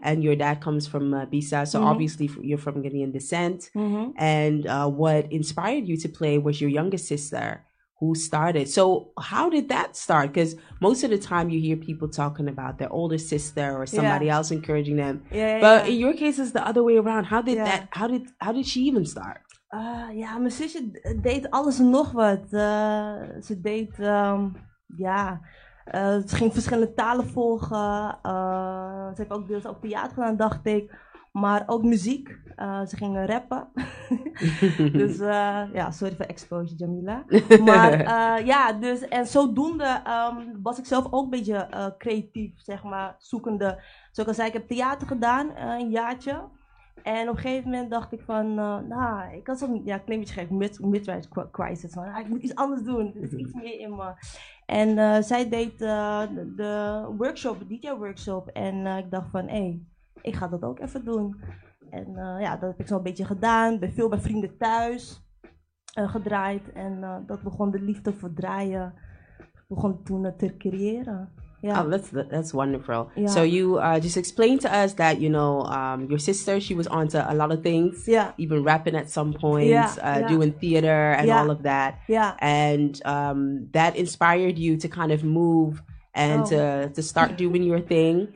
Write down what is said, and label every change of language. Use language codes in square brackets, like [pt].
[en] and your dad comes from Bisa. So mm-hmm. obviously you're from Ghanaian descent. Mm-hmm. And what inspired you to play was your younger sister who started. So how did that start? Because most of the time you hear people talking about their older sister or somebody else encouraging them. Yeah, in your case, it's the other way around. How did that? How did she even start? [nl] Ja, mijn zusje deed alles en nog wat. Ze deed ja, ze ging verschillende talen volgen. Ze heeft ook deels op theater gedaan, dacht ik. Maar ook muziek. Ze gingen rappen. Dus ja, sorry voor exposure, Jamila. Maar ja, dus en zodoende was ik zelf ook een beetje creatief, zeg maar, zoekende. Zoals ik al zei, ik heb theater gedaan, een jaartje. En op een gegeven moment dacht ik van, ik had zo'n, ja, klein beetje gek, midlife crisis. Van, ik moet iets anders doen, er is iets meer in me. En zij deed de workshop, de DJ-workshop. En ik dacht van, hé, ik ga dat ook even doen. En ja, dat heb ik zo'n beetje gedaan. Ben veel bij vrienden thuis gedraaid. En dat begon de liefde voor draaien. Begon toen te creëren. [en] Yeah. Oh, that's wonderful. Yeah. So you just explained to us that, you know, your sister, she was onto a lot of things. Yeah. Even rapping at some point, doing theater and all of that. Yeah. And that inspired you to kind of move and to start doing your thing.